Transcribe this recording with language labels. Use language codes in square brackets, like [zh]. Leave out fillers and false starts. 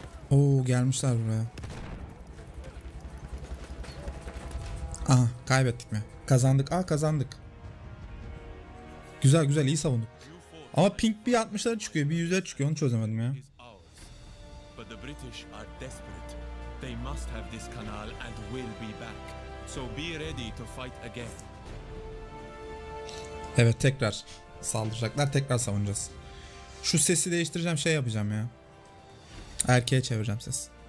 [tr] Oo, gelmişler buraya. Aha kaybettik mi? Kazandık. Aha kazandık. Güzel güzel, iyi savunduk. Ama ping bir 60'lara çıkıyor, bir 100'lere çıkıyor, onu çözemedim ya. [en] But the British are desperate. They must have this canal and will be back. So be ready to fight again. [tr] Evet, tekrar saldıracaklar, tekrar savunacağız. Şu sesi değiştireceğim, şey yapacağım ya. Erkeğe çevireceğim ses.